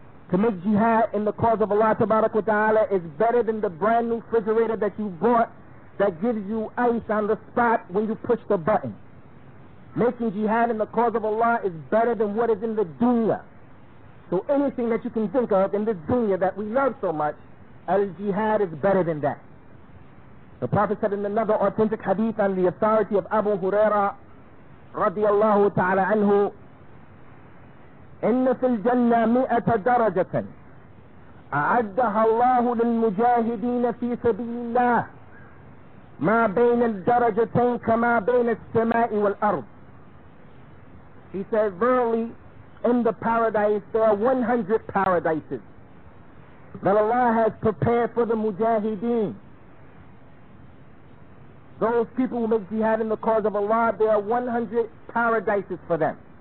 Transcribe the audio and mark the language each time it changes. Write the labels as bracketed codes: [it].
[en] To make jihad in the cause of Allah tabarak wa ta'ala is better than the brand new refrigerator that you bought that gives you ice on the spot when you push the button. Making jihad in the cause of Allah is better than what is in the dunya. So anything that you can think of in this dunya that we love so much, al-jihad is better than that. The Prophet said in another authentic hadith on the authority of Abu Huraira radiallahu ta'ala anhu, [ar] إِنَّ فِي الْجَنَّةِ مِئَةَ دَرَجَةً أَعَدَّهَا اللَّهُ لِلْمُجَاهِدِينَ فِي سَبِيلِ اللَّهِ مَا بَيْنَ الدَّرَجَتَيْنِ كَمَا بَيْنَ السَّمَاءِ وَالْأَرْضِ. [en] He said, verily, in the paradise, there are 100 paradises that Allah has prepared for the mujahideen. Those people who make jihad in the cause of Allah, there are 100 paradises for them.